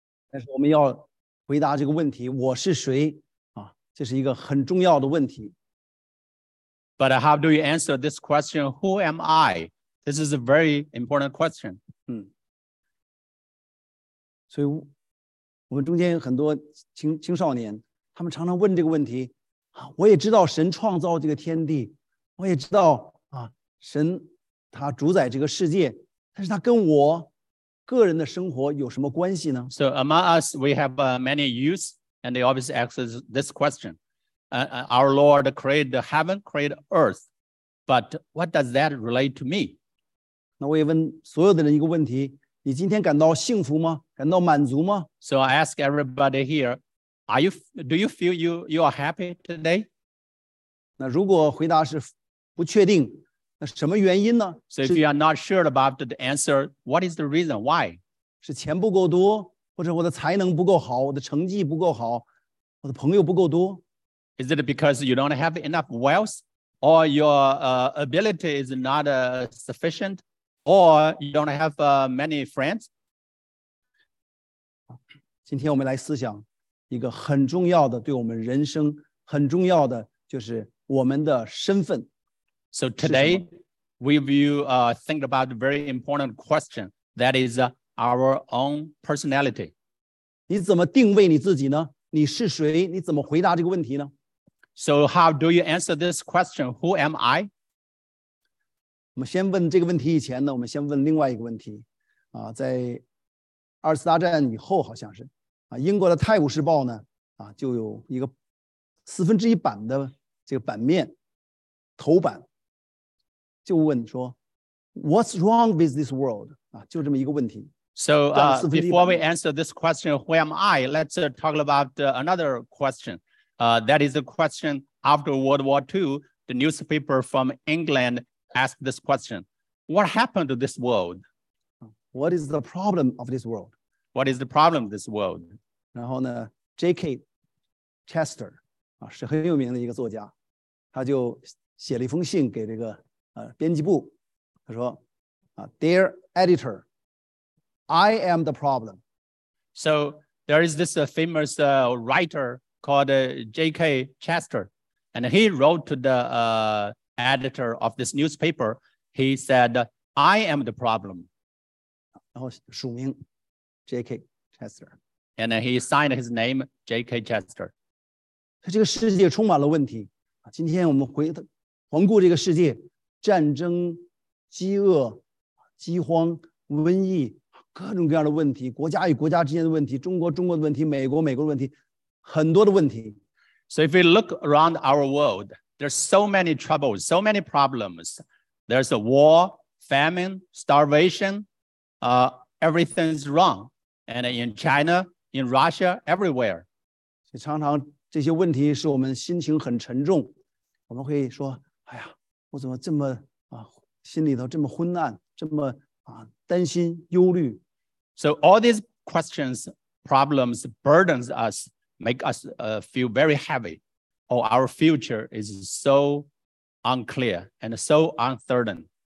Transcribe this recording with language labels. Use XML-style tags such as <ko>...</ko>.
<zh>但是我们要回答这个问题，我是谁啊？这是一个很重要的问题。</zh> <en>But how do you answer this question? Who am I? This is a very important question.</en> <zh>嗯，所以我们中间很多青少年，他们常常问这个问题啊。我也知道神创造这个天地，我也知道啊，神他主宰这个世界，但是他跟我个人的生活有什么关系呢？</zh> <en>So among us, we have many youths, and they always ask this question. Our Lord created the heaven, created earth, but what does that relate to me?</en> <zh>那我也问所有的人一个问题：你今天感到幸福吗？感到满足吗？</zh> <en>So I ask everybody here, do you feel you are happy today?</en> <zh>那如果回答是不确定。什么原因呢?</zh> <en>So if you are not sure about the answer, what is the reason? Why?</en> <zh>是钱不够多,或者我的才能不够好,我的成绩不够好,我的朋友不够多?</zh> <en>Is it because you don't have enough wealth? Or your ability is not sufficient? Or you don't have many friends?</en> <zh>今天我们来思想一个很重要的,对我们人生很重要的,就是我们的身份。</zh> <en>So today, we will think about a very important question, that is our own personality.</en> <zh>你怎么定位你自己呢？你是谁？你怎么回答这个问题呢？</zh> <en>So how do you answer this question? Who am I?</en> <zh>我们先问这个问题以前呢，我们先问另外一个问题。啊，在二次大战以后好像是，啊，英国的《泰晤士报》呢，啊，就有一个四分之一版的这个版面。头版就问说</zh> <en>What's wrong with this world?、</en> <zh>啊、就这么一个问题。</zh> <en>So before we answer this question, who am I? Let's talk about another question. That is the question after World War II, the newspaper from England asked this question. What happened to this world? What is the problem of this world? What is the problem of this world?</en> <zh>然后呢 J.K. Chester、啊、是很有名的一个作家，他就写了一封信给这个编辑部，他说</zh> <en>Dear editor, I am the problem. So there is this famous writer called J.K. Chester, and he wrote to the editor of this newspaper. He said, I am the problem.</en> <zh>然后署名 J.K. Chester.</zh> <en>And he signed his name J.K. Chester.</en> <zh>这个世界充满了问题。今天我们回到环顾这个世界，战争、饥饿、饥荒、瘟疫，各种各样的问题，国家与国家之间的问题，中国中国的问题，美国美国的问题，很多的问题。</zh> <en>So if we look around our world, there's so many troubles, so many problems. There's a war, famine, starvation. Everything's wrong. And in China, in Russia, everywhere.</en> <zh>所以常常这些问题使我们心情很沉重。我们会说，哎呀，我怎么这么、啊、心里头这么昏暗，这么、啊、担心忧虑。</zh> <en>So all these questions, problems, burdens us, make us feel very heavy. Oh, our future is so unclear and so uncertain.</en>